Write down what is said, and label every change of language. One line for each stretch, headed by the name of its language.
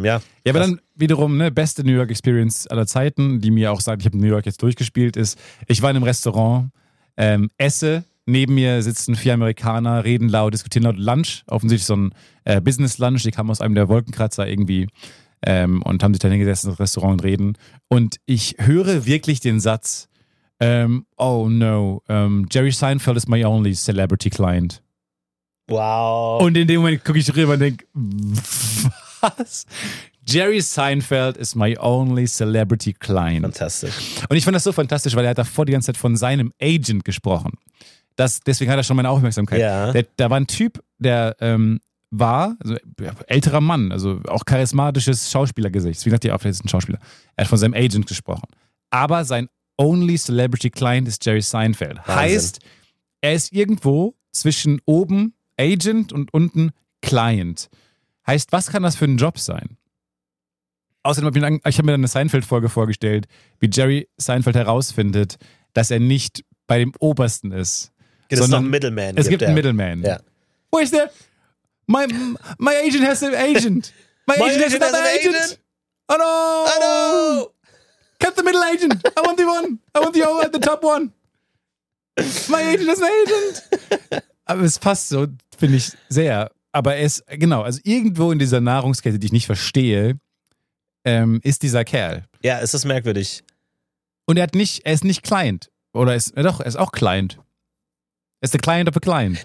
German: Ja, aber dann wiederum, ne, beste New York Experience aller Zeiten, die mir auch sagt, ich habe New York jetzt durchgespielt, ist, ich war in einem Restaurant, esse, neben mir sitzen vier Amerikaner, reden laut, diskutieren laut, Lunch, offensichtlich so ein Business Lunch, die kamen aus einem der Wolkenkratzer irgendwie und haben sich dann hingesessen ins Restaurant und reden. Und ich höre wirklich den Satz,
English: Jerry Seinfeld is my only celebrity client.
German: Wow. Und in dem Moment gucke ich rüber und denke, was?
English: Jerry Seinfeld is my only celebrity client.
German: Fantastisch. Und ich fand das so fantastisch, weil er hat davor die ganze Zeit von seinem Agent gesprochen. Das, deswegen hat er schon meine Aufmerksamkeit. Ja. Da war ein Typ, der war, also älterer Mann, also auch charismatisches Schauspielergesicht. Wie gesagt, die Aufmerksamkeit ist ein Schauspieler. Er hat von seinem Agent gesprochen. Aber sein
English: only celebrity client
German: ist Jerry Seinfeld. Wahnsinn. Heißt, er ist irgendwo zwischen oben Agent und unten Client. Heißt, was kann das für ein Job sein? Außerdem habe ich mir dann eine Seinfeld-Folge vorgestellt, wie Jerry Seinfeld herausfindet, dass er nicht bei dem Obersten ist. Gibt es noch einen Middleman? Es gibt einen Middleman. Ja. Wo ist der?
English: My agent has an agent. My agent has another agent. Oh no! Oh no! Cut the middle agent. I want the one. I want the over at the top one. My agent has an agent.
German: Aber es passt so, finde ich, sehr. Aber es, genau, also irgendwo in dieser Nahrungskette, die ich nicht verstehe, ist dieser Kerl. Ja, es ist merkwürdig. Und er ist nicht Client. Oder ist, ja doch, er ist auch Client. Er ist der Client
English: of a Client.